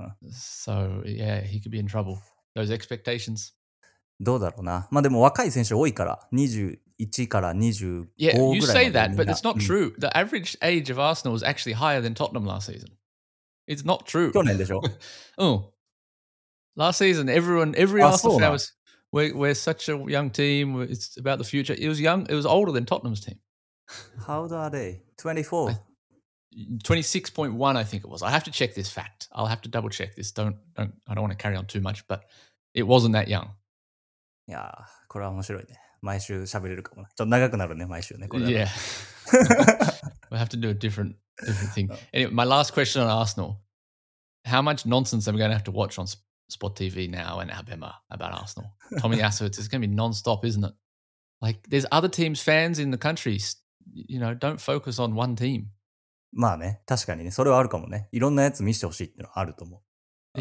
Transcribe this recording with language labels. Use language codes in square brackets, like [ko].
[en] So, yeah, he could be in trouble. Those expectations. [ja] どうだろうな。まあでも若い選手多いから、21から25ぐらい。 [en] Yeah, you say that, but it's not true. The average age of Arsenal was actually higher than Tottenham last season. It's not true. [ja] 去年でしょ。 [en] Last season, every Arsenal fan was... We're such a young team. It's about the future. It was older than Tottenham's team. How old are they? 24? 26.1, I think it was. I have to check this fact. I'll have to double check this. I don't want to carry on too much, but it wasn't that young. [ja] Yeah, これは面白いね。毎週喋れるかもな。ちょっと長くなるね、毎週ね。これは。Yeah. [en] We'll have to do a different thing. Anyway, my last question on Arsenal. How much nonsense am I going to have to watch on Spot TV now and Abema about Arsenal? Tomiyasu, it's going to be non-stop, isn't it? Like, there's other teams' fans in the country. You know, don't focus on one team. [ja] まあね、確かにね、それはあるかもね。いろんなやつ見せてほしいっていうのはあると思う。